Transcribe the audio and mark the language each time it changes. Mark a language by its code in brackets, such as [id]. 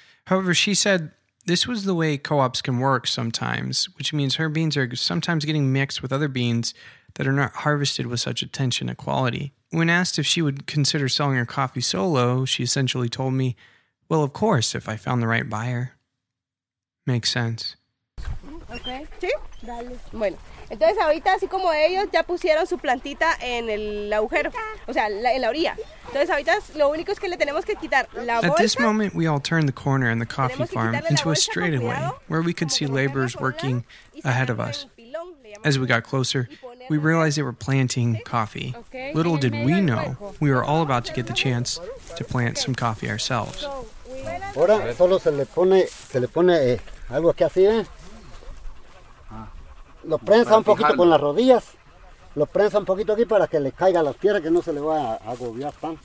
[en] However, she said this was the way co-ops can work sometimes, which means her beans are sometimes getting mixed with other beans that are not harvested with such attention to quality. When asked if she would consider selling her coffee solo, she essentially told me, well, of course, if I found the right buyer. Makes sense. [es] Okay. Sí. Dale. Bueno. Entonces ahorita así como ellos ya pusieron su plantita en el agujero, o sea, en la orilla. Entonces ahorita lo único es que le tenemos que quitar la bolsa. [en] At this moment, we all turned the corner in the coffee farm into a straightaway where we could see laborers working ahead of us. As we got closer, we realized they were planting coffee. Little did we know, we were all about to get the chance to plant some coffee ourselves. [es] Ahora solo se le pone algo que así, Lo prensa un poquito con las rodillas. Lo prensa un poquito aquí para que le caiga la tierra, que no se le va a agobiar tan.